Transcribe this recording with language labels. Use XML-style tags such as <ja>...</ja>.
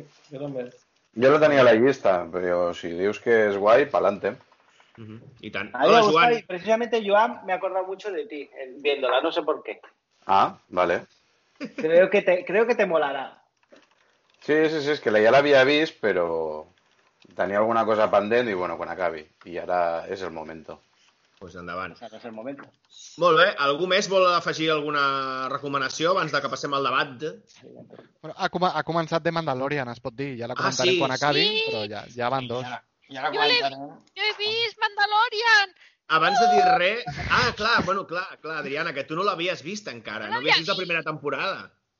<ca>Jo la tenia a la llista, però si dius que és guai, pa'lante. Uh-huh. Y tan.</ca> <es>A mí me gusta, Joan. Y precisamente Joan me ha acordado mucho de ti viéndola, no sé por qué. Ah, vale. Creo que te molará. Sí, es que ya la había visto, pero tenía alguna cosa pendiente y bueno, con acabi. Y ahora es el momento.</es> <ca>Pues endavant.</ca> <es>Ahora es el momento.</es> <ca>Molt bé, algú més vol afegir alguna recomanació abans de que passem al debat? Ha començat de Mandalorian, es pot dir, ja la comentaré quan acabi, sí. Però ja van dos. Jo he vist Mandalorian! Abans de dir res... Ah, clar, bueno, clar, Adriana, que tu no l'havies vist encara, no havies vist la primera temporada.</ca>